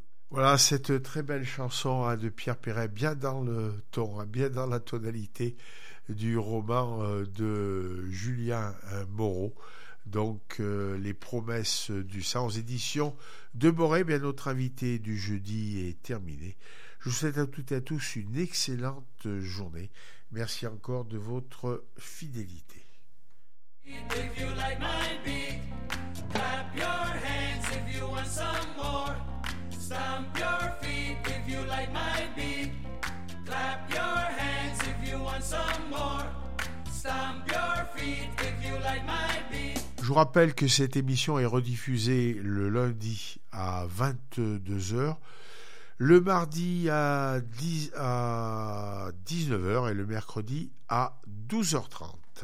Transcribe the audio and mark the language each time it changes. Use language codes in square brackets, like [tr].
[fr] Voilà cette très belle chanson de Pierre Perret, bien dans le ton, bien dans la tonalité du roman de Julien Moreau. Donc, Les promesses du sang, éditions de Boré. Bien, notre invité du jeudi est terminé. Je vous souhaite à toutes et à tous une excellente journée. Merci encore de votre fidélité. [en] If you like my beat, clap your hands if you want some more. Stomp your feet if you like my beat. Clap your hands if you want some more. Stomp your feet if you like my beat. [fr] Je vous rappelle que cette émission est rediffusée le lundi à 22h, le mardi à 19h et le mercredi à 12h30.